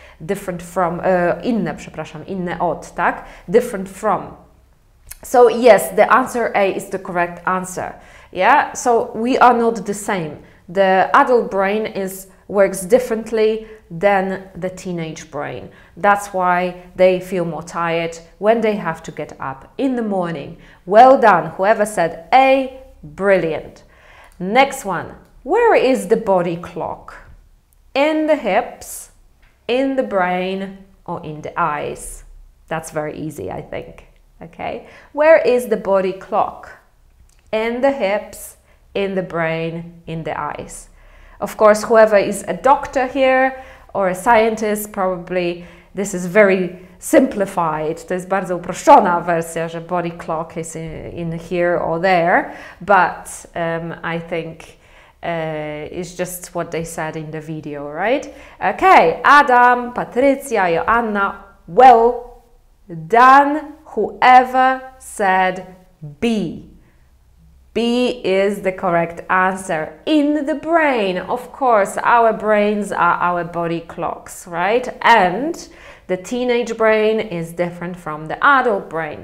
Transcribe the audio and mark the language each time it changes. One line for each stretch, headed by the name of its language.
English: Different from,
Polish: inne, przepraszam, inne od, tak?
English: Different from. So yes, the answer A is the correct answer. Yeah, so we are not the same. The adult brain works differently than the teenage brain. That's why they feel more tired when they have to get up in the morning. Well done, whoever said A, brilliant. Next one, where is the body clock? In the hips, in the brain, or in the eyes? That's very easy, I think. Okay, where is the body clock? In the hips, in the brain, in the eyes. Of course, whoever is a doctor here or a scientist, probably this is very simplified.
Polish: To jest bardzo uproszczona wersja, że
English: body clock is in here or there. But I think it's just what they said in the video, right? Okay, Adam, Patrycja, Joanna. Well done, whoever said B. B is the correct answer. In the brain, of course, our brains are our body clocks, right? And the teenage brain is different from the adult brain.